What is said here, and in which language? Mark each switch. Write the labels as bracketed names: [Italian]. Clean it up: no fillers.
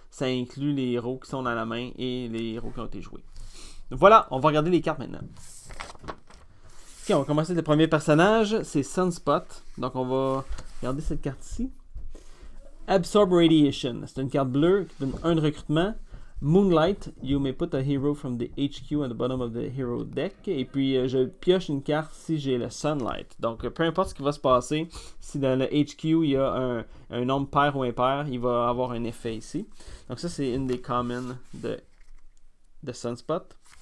[French] Ça inclut les héros qui sont dans la main et les héros qui ont été joués. Voilà, on va regarder les cartes maintenant. Ok, on va commencer avec le premier personnage, c'est Sunspot. Donc on va regarder cette carte ici. Absorb Radiation, c'est une carte bleue qui donne 1 de recrutement. [English] Moonlight, you may put a hero from the HQ at the bottom of the hero deck. [French] Et puis je pioche une carte si j'ai le Sunlight. Donc peu importe ce qui va se passer, si dans le HQ il y a un nombre pair ou impair, il va avoir un effet ici. Donc ça, c'est une des communes de Sunspot.